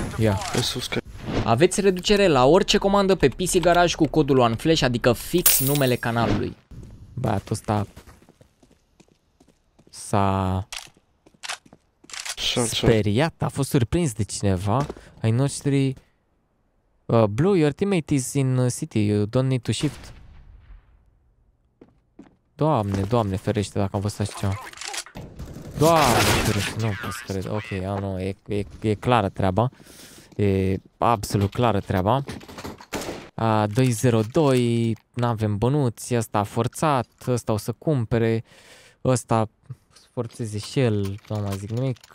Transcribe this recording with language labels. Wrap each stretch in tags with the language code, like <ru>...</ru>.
<ro>Yeah. E sus. Aveți reducere la orice comandă pe PC Garage cu codul ONFLASH, adică fix numele canalului. Băiatul ăsta s-a speriat, a fost surprins de cineva. Ai noștri</ro> <en>Blue, your teammate is in city, you don't need to shift.</en> <ro>Doamne ferește, dacă am văzut așa ceva. Doamne, nu pot să cred. Ok, nu, e clară treaba. E absolut clară treaba. 2-0-2. N-avem bănuți. Ăsta a forțat, ăsta o să cumpere. Ăsta forțeze și el, nu mai zic nimic.</ro>